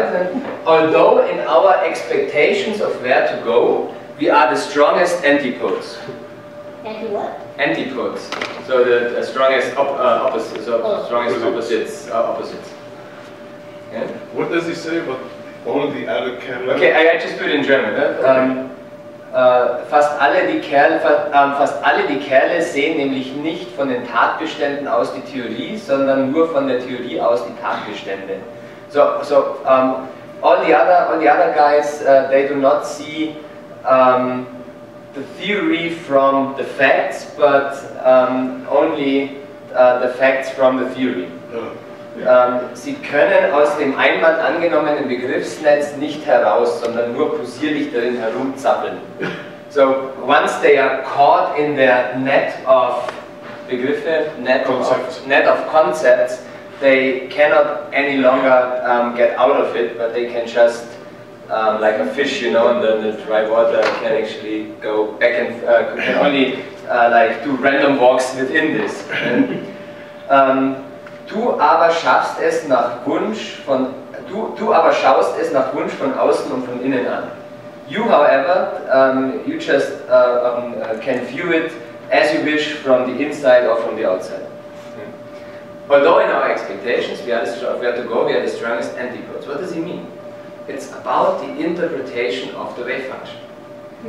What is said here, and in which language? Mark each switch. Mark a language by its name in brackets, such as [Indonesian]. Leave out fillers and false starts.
[English] And, although in our expectations of where to go, we are the strongest antipodes. Antipodes. So the strongest opposites. Strongest opposites. Opposites. Yeah? What does he say about all the other Kerle? Okay, I just put it in German. Okay. [German] Fast alle die Kerle sehen nämlich nicht von den Tatbeständen aus die Theorie, sondern nur von der Theorie aus die Tatbestände. [English] So all the other guys, they do not see the theory from the facts, but only the facts from the theory. Oh. [German] Sie können aus dem einmal angenommenen Begriffsnetz nicht heraus, sondern nur posierlich darin herumzappeln. [English] So, once they are caught in their net of Begriffe, net of concepts, they cannot any longer get out of it, but they can just, like a fish, you know, in the dry water, can actually go back and can only like do random walks within this. [German] Du aber schaust es nach Wunsch von außen und von innen an. [English] You, however, you just can view it as you wish from the inside or from the outside. Hmm. Although in our expectations we are the strongest antipodes. What does he mean? It's about the interpretation of the wave function. Hmm.